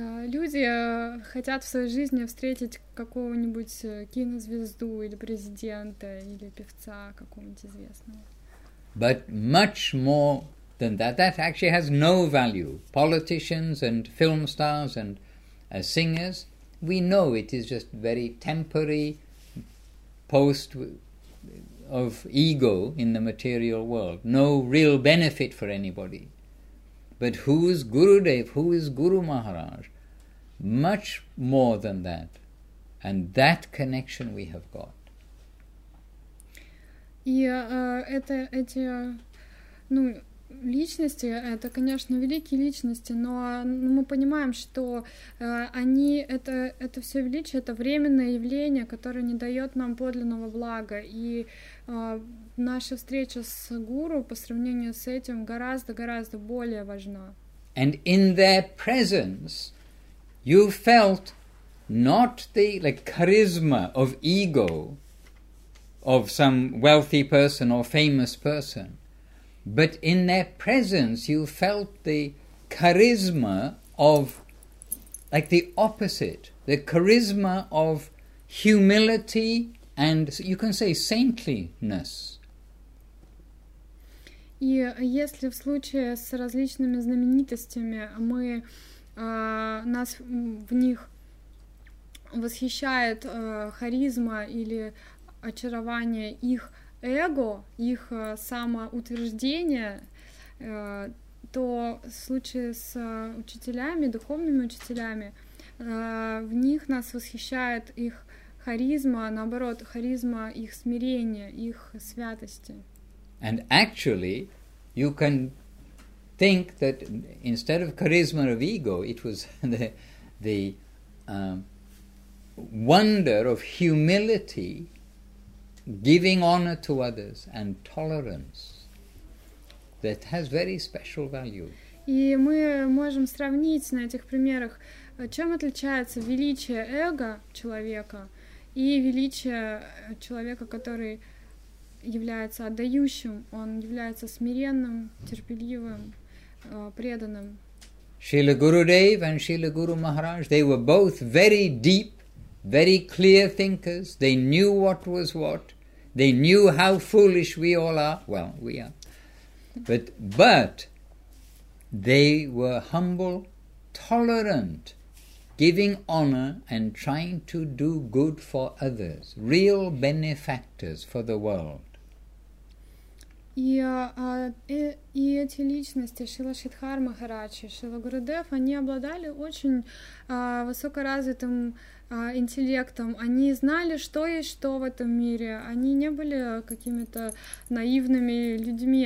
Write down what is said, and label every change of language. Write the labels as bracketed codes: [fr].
[ru] Люди хотят в своей жизни встретить какого-нибудь кинозвезду или президента или певца какого-нибудь известного. [en] But much more than that, that actually has no value. Politicians and film stars and singers, we know it is just very temporary post of ego in the material world. No real benefit for anybody. But who is Gurudev, who is Guru Maharaj? Much more than that. And that connection we have got. [ru] И эти личности, это, конечно, великие личности, но мы понимаем, что они, это все величие, это временное явление, которое не дает нам подлинного блага. И наша встреча с гуру по сравнению с этим гораздо более важна. [en] And in their presence you felt not the charisma of ego of some wealthy person or famous person, but in their presence you felt the charisma of the opposite, the charisma of humility and you can say saintliness. [ru] И если в случае с различными знаменитостями мы нас в них восхищает харизма или очарование их эго, их самоутверждение, то в случае с учителями, духовными учителями, в них нас восхищает их харизма, наоборот, харизма их смирения, их святости. [en] And actually, you can think that instead of charisma of ego, it was the wonder of humility, giving honor to others and tolerance that has very special value. [ru] И мы можем сравнить на этих примерах, чем отличается величие эго человека и величие человека, который является отдающим, он является смиренным, терпеливым, преданным. [en] Srila Gurudev and Srila Guru Maharaj, they were both very deep, very clear thinkers. They knew what was what. They knew how foolish we all are. Well, we are. But they were humble, tolerant, giving honor and trying to do good for others, real benefactors for the world. [ru] И эти личности, Шрила Шридхар Махарадж и Шрила Гурудев, они обладали очень высокоразвитым интеллектом. Они знали, что есть что в этом мире. Они не были какими-то наивными людьми.